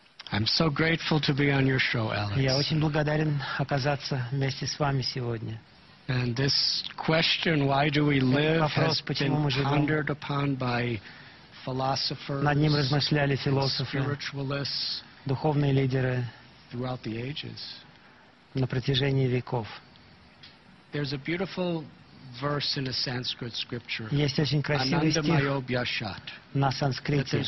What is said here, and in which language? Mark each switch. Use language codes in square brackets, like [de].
[en] I'm so grateful to be on your show, Alex. [ru] Я очень благодарен оказаться вместе с вами сегодня. [en] And this question, why do we live, has been pondered upon by philosophers, [ru] над ним размышляли философы, [en] spiritualists, [ru] духовные лидеры, [en] throughout the ages. [ru] На протяжении веков. [en] There's a beautiful verse in a Sanskrit scripture. [ru] Есть очень красивый стих на санскрите.